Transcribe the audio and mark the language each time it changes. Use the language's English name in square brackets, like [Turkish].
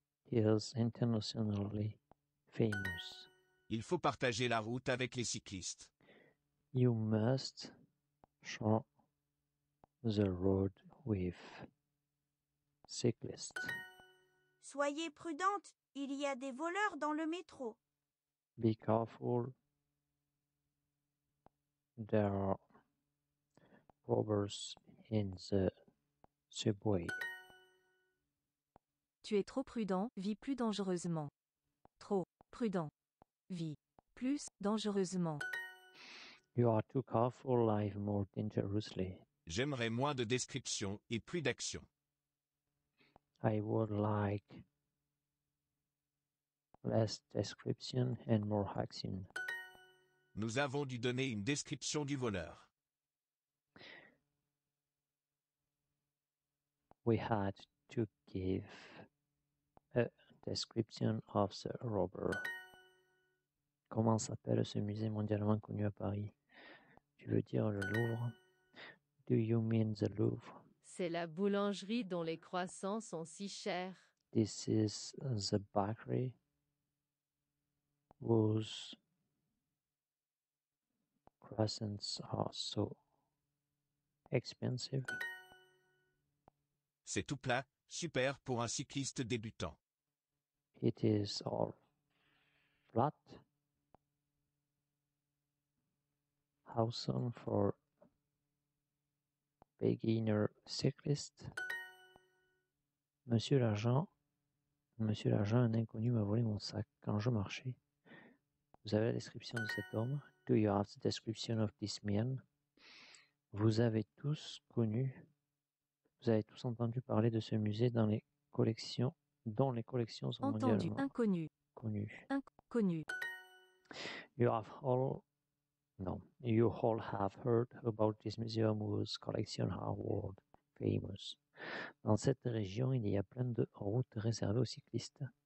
[English] Is internationally famous. [French] Il faut partager la route avec les cyclistes. [English] You must share the road with cyclists. [French] Soyez prudente, il y a des voleurs dans le métro. [English] Be careful, there are robbers in the subway. [French] Tu es trop prudent, vis plus dangereusement. Trop prudent, vis plus dangereusement. [English] You are too careful, live more dangerously. [French] J'aimerais moins de descriptions et plus d'actions. [English] I would like less description and more action. [French] Nous avons dû donner une description du voleur. [English] We had to give a description of the robber. [French] Comment s'appelle ce musée mondialement connu à Paris? Tu veux dire le Louvre? [English] Do you mean the Louvre? [French] C'est la boulangerie dont les croissants sont si chers. [English] This is the bakery whose croissants are so expensive. [French] C'est tout plat, super pour un cycliste débutant. [English] It is all flat. Awesome for beginner cyclist. [French] Monsieur l'agent, un inconnu m'a volé mon sac quand je marchais. Vous avez la description de cet homme? [English] Do you have the description of this man? [French] Vous avez tous entendu parler de ce musée dont les collections sont entendu. Mondialement inconnu. [English] You have all No, you all have heard about this museum whose collections are world famous. [French] Dans cette région, il y a plein de routes réservées aux cyclistes.